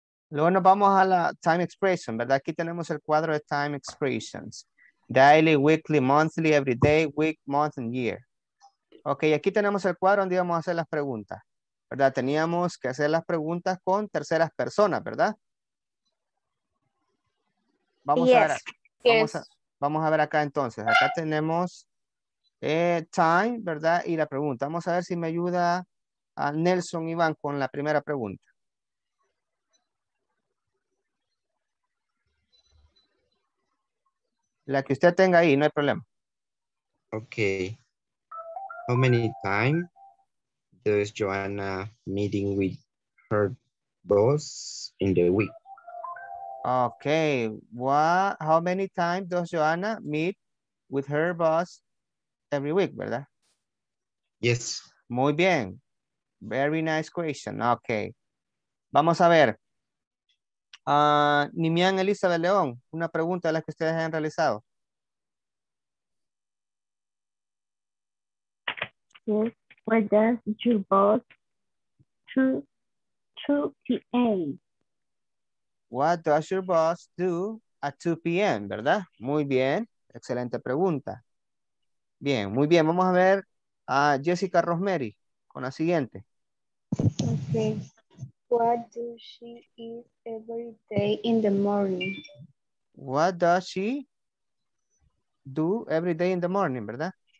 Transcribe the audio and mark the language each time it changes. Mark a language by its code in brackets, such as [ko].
[es] Luego nos vamos a la [en] time expression, [es] ¿verdad? Aquí tenemos el cuadro de [en] time expressions. Daily, weekly, monthly, every day, week, month, and year. [es] Ok, aquí tenemos el cuadro donde íbamos a hacer las preguntas, ¿verdad? Teníamos que hacer las preguntas con terceras personas, ¿verdad? Vamos a ver acá entonces. Acá tenemos time, ¿verdad? Y la pregunta. Vamos a ver si me ayuda a Nelson Iván con la primera pregunta. La que usted tenga ahí, no hay problema. Ok. [en] How many times does Joanna meeting with her boss in the week? Ok. How many times does Joanna meet with her boss every week, [es] ¿verdad? [en] Yes. [es] Muy bien. [en] Very nice question. Ok. [es] Vamos a ver. Nimian Elizabeth León, una pregunta de las que ustedes han realizado. [en] Yes, what does your boss do at 2 p.m.? What does your boss do at 2 p.m., [es] ¿verdad? Muy bien, excelente pregunta. Bien, muy bien, vamos a ver a Jessica Rosemary con la siguiente. Okay. Okay. [en] What does she eat every day in the morning? What does she do every day in the morning, [es] verdad?